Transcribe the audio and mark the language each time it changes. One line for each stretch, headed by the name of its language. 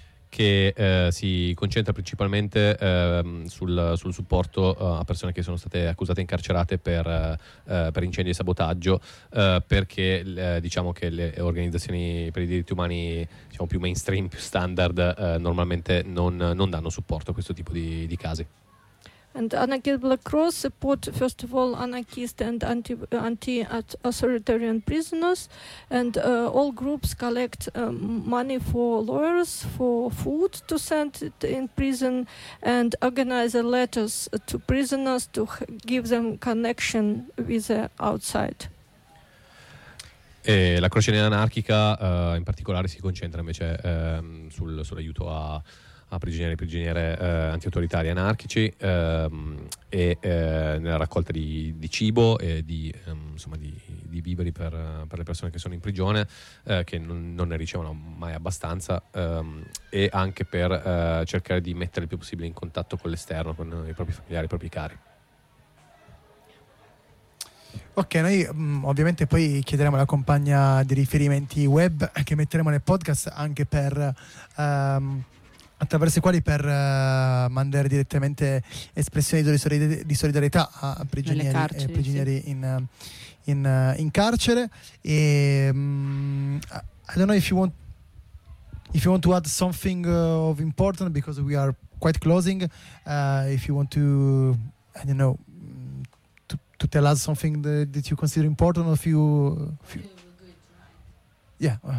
Italian: che si concentra principalmente sul supporto a persone che sono state accusate e incarcerate per incendi e sabotaggio, perché diciamo che le organizzazioni per i diritti umani, diciamo, più mainstream, più standard, normalmente non danno supporto a questo tipo di casi.
English: And Anarchist Black Cross support, first of all, anarchist and anti-authoritarian prisoners, and all groups collect money for lawyers, for food to send it in prison, and organize letters to prisoners to give them connection with the outside.
Italian: E la Croce Nera Anarchica in particolare si concentra invece sull'aiuto a prigionieri e prigioniere anti-autoritari anarchici nella raccolta di cibo e di viveri per le persone che sono in prigione, che non ne ricevono mai abbastanza, e anche per cercare di mettere il più possibile in contatto con l'esterno, con i propri familiari, i propri cari. Ok, noi ovviamente poi chiederemo alla compagna di riferimenti web che metteremo nel podcast, anche per attraverso i quali per mandare direttamente espressioni di solidarietà a prigionieri, carceri, prigionieri sì. in carcere.
English: E I don't know if you want to add something of important, because we are quite closing. If you want to, I don't know, to tell us something that you consider important, or if you yeah.